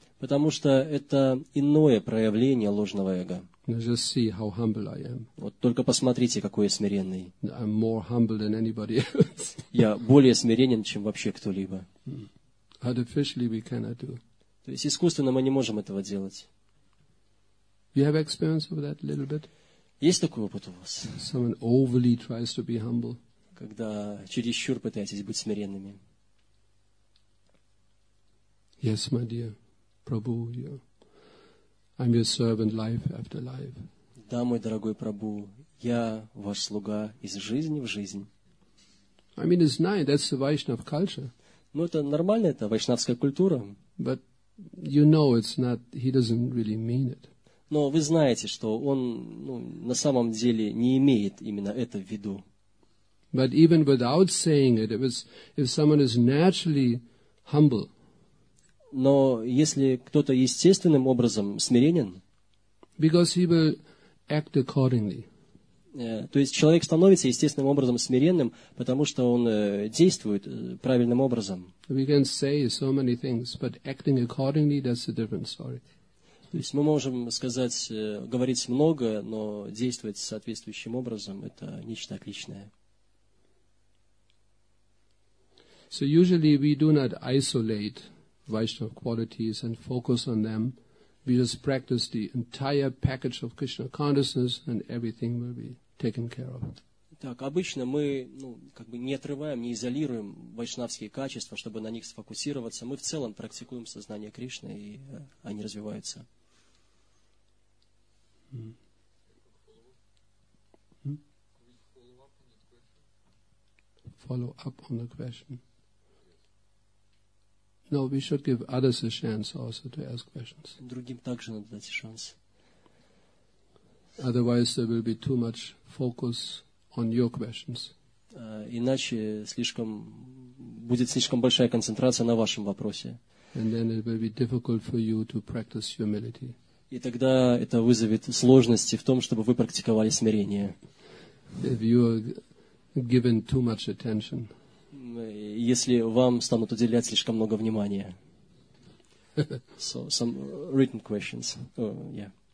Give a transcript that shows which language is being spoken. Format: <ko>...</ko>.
<ru>Потому что это иное проявление ложного эго.</ru> <en>Just see how humble I am.</en> <ru>Вот только посмотрите, какой я смиренный.</ru> <en>I'm more humble than anybody else.</en> <ru>Я более смиренен, чем вообще кто-либо.</ru> <en>Artificially we cannot do.</en> <ru>То есть искусственно мы не можем этого делать.</ru> <en>You have experience of that a little bit?</en> <ru>Есть такой опыт у вас?</ru> <en>Someone overly tries to be humble.</en> <ru>Когда чересчур пытаетесь быть смиренными.</ru> <en>Yes, my dear, Prabhu, I'm your servant life after life.</en> <ru>Да, мой дорогой Прабу, я ваш слуга из жизни в жизнь.</ru> <en>I mean, it's nice, that's the Vaishnav culture.</en> <ru>Ну, это нормально, это вайшнавская культура.</ru> <en>But you know it's not, he doesn't really mean it.</en> <ru>Но вы знаете, что он ну, на самом деле не имеет именно это в виду.</ru> <en>But even without saying it, if someone is naturally humble,</en> <ru>но если кто-то естественным образом смиренен,</ru> <en>because he will act accordingly.</en> <ru>То есть человек становится естественным образом смиренным, потому что он действует правильным образом.</ru> <en>We can say so many things, but acting accordingly, that's a different story.</en> <ru>То есть мы можем сказать, говорить много, но действовать соответствующим образом – это нечто отличное.</ru> <en>So usually we do not isolate Vaishnava qualities and focus on them. We just practice the entire package of Krishna consciousness and everything will be taken care of.</en> <ru>Так, обычно мы ну, как бы не отрываем, не изолируем вайшнавские качества, чтобы на них сфокусироваться. Мы в целом практикуем сознание Кришны, и они развиваются.</ru> <en>Follow up on the question. No, we should give others a chance also to ask questions.</en> <ru>Другим также надо дать шанс.</ru> <en>Otherwise, there will be too much focus on your questions.</en> <ru>Иначе будет слишком большая концентрация на вашем вопросе.</ru> <en>And then it will be difficult for you to practice humility.</en> <ru>И тогда это вызовет сложности в том, чтобы вы практиковали смирение.</ru> <en>If you are given too much attention.</en> <ru>Если вам станут уделять слишком много внимания.</ru> <en>So, some written questions. Oh, yeah.</en>